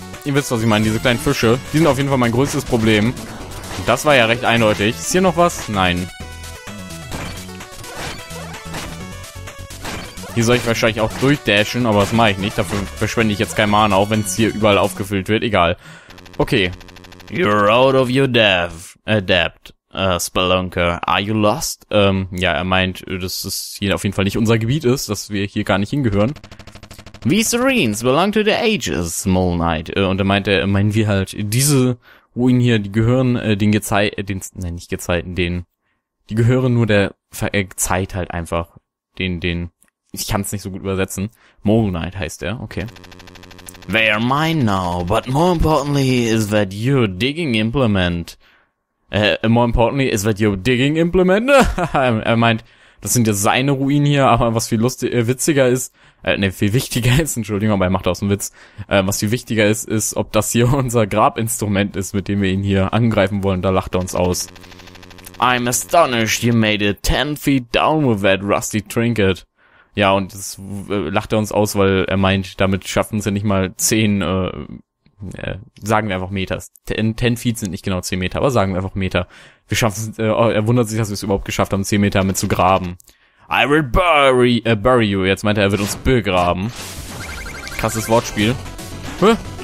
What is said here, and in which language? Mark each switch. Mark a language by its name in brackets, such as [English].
[German] Ihr wisst, was ich meine. Diese kleinen Fische. Die sind auf jeden Fall mein größtes Problem. Das war ja recht eindeutig. Ist hier noch was? Nein. Hier soll ich wahrscheinlich auch durchdashen, aber das mache ich nicht. Dafür verschwende ich jetzt kein Mana, auch wenn es hier überall aufgefüllt wird. Egal. Okay. [English] You're out of your adept, Spelunker. Are you lost? [German] Ja, er meint, dass es hier auf jeden Fall nicht unser Gebiet ist, dass wir hier gar nicht hingehören. [English] These Serenes belong to the ages, Mole Knight. [German] Und er meinte, meinen wir halt, diese Ruinen hier, die gehören den Gezeiten, nein, nicht Gezeiten, den, die gehören nur der Zeit halt einfach. Den, ich kann's nicht so gut übersetzen. Mole Knight heißt er, okay. [English] They are mine now, but more importantly is that your digging implement. More importantly is that your digging implement. [German] Er meint, das sind ja seine Ruinen hier, aber was viel witziger ist, viel wichtiger ist, Entschuldigung, aber er macht aus dem Witz, was viel wichtiger ist, ist, ob das hier unser Grabinstrument ist, mit dem wir ihn hier angreifen wollen, da lacht er uns aus. [English] I'm astonished you made it 10 feet down with that rusty trinket. [German] Ja, und das lacht er uns aus, weil er meint, damit schaffen sie nicht mal 10, sagen wir einfach Meter. 10 Feet sind nicht genau 10 Meter, aber sagen wir einfach Meter. Wir schaffen, er wundert sich, dass wir es überhaupt geschafft haben, 10 Meter damit zu graben. [English] I will bury you. [German] Jetzt meint er, er wird uns begraben. Krasses Wortspiel. Hä?